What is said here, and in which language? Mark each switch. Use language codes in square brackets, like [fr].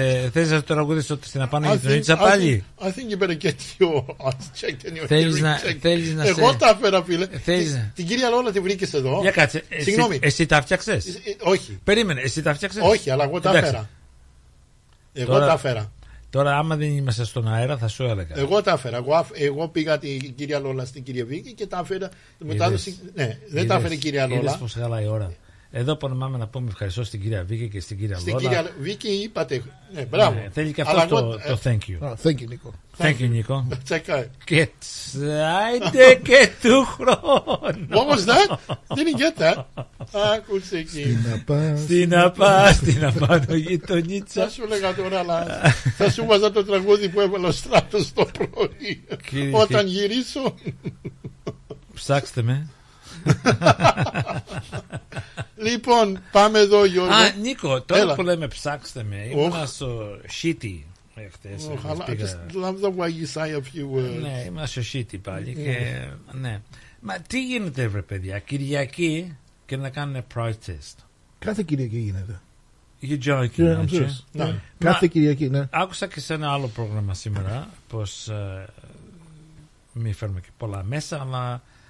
[el] Θες να το τραγουδήσω στην απάνω τη Νίτσα πάλι? [en] I think you better get your check and your hearing check. [el] Εγώ τα έφερα, φίλε. Την κυρία Λόλα τη βρήκες εδώ. Για κάτσε. Συγγνώμη. Εσύ τα φτιάξες? Όχι. Περίμενε, εσύ τα φτιάξες? Όχι, αλλά εγώ τα έφερα. Εγώ τα έφερα. Τώρα, άμα δεν είμαστε στον αέρα, θα σου έλεγα. Εγώ τα έφερα. Εγώ πήγα την κυρία Λόλα στην κυρία Βίκη και τα έφερα. Μετάδοση. Ναι, δεν τα έφερε η κυρία Λόλα. Είδες πως χαλάει η ώρα. Εδώ πονεμάμε να πούμε ευχαριστώ στην κυρία Βίκη και στην κυρία στην Λόλα. Στην κυρία Βίκη είπατε, ναι, μπράβο. Ναι, θέλει και αυτό το, το thank you. [en] Thank you, Νίκο. Thank you, Νίκο. [el] Τσακάει. Και τσάιντε και του χρόνου. [en] What was that? Didn't get that. [el] Άκουσε εκεί. Στην απά, στην απά, στην απά το γειτονίτσα. Θα σου έλεγα τώρα, αλλά θα σου βάζα το τραγούδι που έβαλε ο Στράτος το πρωί. Όταν γυρίσω. Ψάξτε με. Λοιπόν, πάμε εδώ, Γιώργο. Α, Νίκο, τώρα έλα. Που λέμε ψάξτε με, ήμουν στο Σίτι χτες. [en] I just love the way you say a few words. [el] Ναι, ήμουν στο Σίτι πάλι. Και, ναι. Μα τι γίνεται, βρε παιδιά, Κυριακή και να κάνουν protest. Κάθε Κυριακή γίνεται. [en] You're joking, yeah, I'm serious. [el] Ναι. Κάθε Κυριακή, ναι. Άκουσα και σε ένα άλλο πρόγραμμα σήμερα, πως μη φέρουμε και πολλά μέσα, αλλά...